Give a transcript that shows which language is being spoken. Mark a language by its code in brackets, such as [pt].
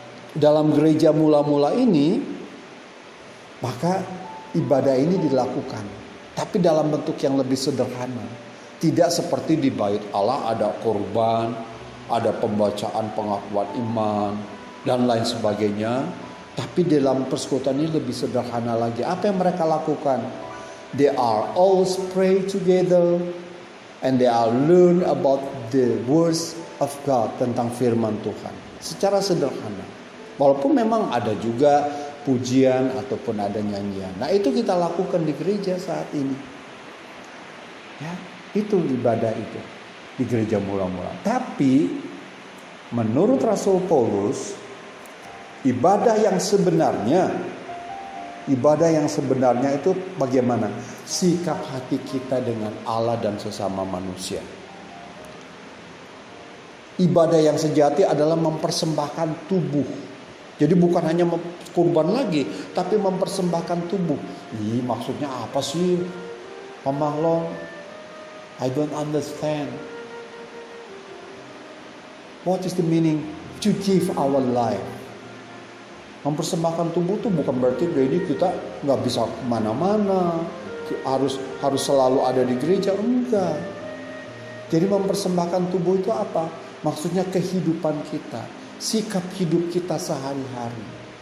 [id] Dalam gereja mula-mula ini, maka ibadah ini dilakukan, tapi dalam bentuk yang lebih sederhana. Tidak seperti di Bait Allah ada korban, ada pembacaan pengakuan iman, dan lain sebagainya. Tapi dalam persekutuan ini lebih sederhana lagi. Apa yang mereka lakukan? [en] They are always pray together, and they are learn about the words of God, [id] tentang firman Tuhan. Secara sederhana. Walaupun memang ada juga pujian ataupun ada nyanyian. Nah, itu kita lakukan di gereja saat ini. Ya, itu ibadah itu di gereja mula-mula. Tapi menurut Rasul Paulus, ibadah yang sebenarnya itu bagaimana? Sikap hati kita dengan Allah dan sesama manusia. Ibadah yang sejati adalah mempersembahkan tubuh. Jadi bukan hanya kurban lagi, tapi mempersembahkan tubuh. Ih, maksudnya apa sih, pemahlong? [en] I don't understand. What is the meaning to give our life? [id] Mempersembahkan tubuh itu bukan berarti jadi kita gak bisa kemana-mana, harus selalu ada di gereja. Enggak. Jadi mempersembahkan tubuh itu apa? Maksudnya kehidupan kita, sikap hidup kita sehari-hari.